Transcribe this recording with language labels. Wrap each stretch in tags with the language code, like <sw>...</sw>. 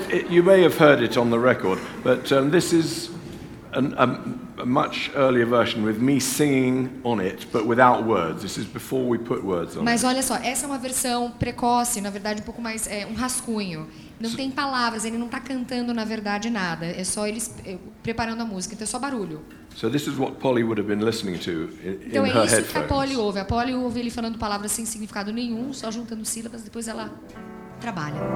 <en>You may have heard it on the record, but this is a much earlier version with me singing on it, but without words. This is before we put words on.</en> <pt>Mas olha só, essa é uma versão precoce, na verdade um pouco mais um rascunho. Não tem palavras, ele não está cantando na verdade nada. É só ele preparando a música, então é só barulho.</pt> <en>So this is what Polly would have been listening to in her headphones.</en> <pt>Então é isso que a Polly ouve. A Polly ouve ele falando palavras sem significado nenhum, só juntando sílabas, depois ela trabalha.</pt>